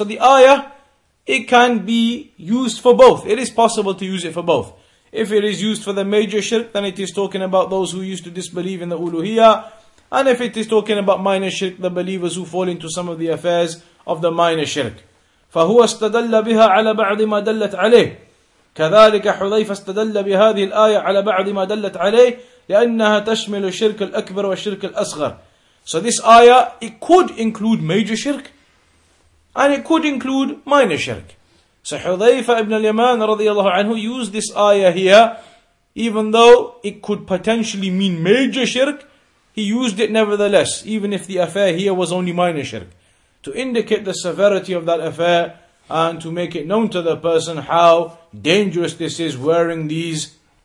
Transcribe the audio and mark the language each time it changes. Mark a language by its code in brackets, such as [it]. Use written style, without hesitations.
[en] So the ayah, it can be used for both. It is possible to use it for both. If it is used for the major shirk, then it is talking about those who used to disbelieve in the uluhiyya. And if it is talking about minor shirk, the believers who fall into some of the affairs of the minor shirk. [ar] فَهُوَ اسْتَدَلَّ بِهَا عَلَى بَعْضِ مَا دَلَّتْ عَلَيْهِ. كذلك حذيفة استدل بهذه الآية على بعض ما دلت عليه لأنها تشمل الشرك الأكبر والشرك الأصغر. [en] So this ayah, it could include major shirk and it could include minor shirk. So حذيفة ابن اليمان [ar] رضي الله عنه [en] used this ayah here, even though it could potentially mean major shirk, he used it nevertheless, even if the affair here was only minor shirk, to indicate the severity of that affair and to make it known to the person how dangerous this is, wearing these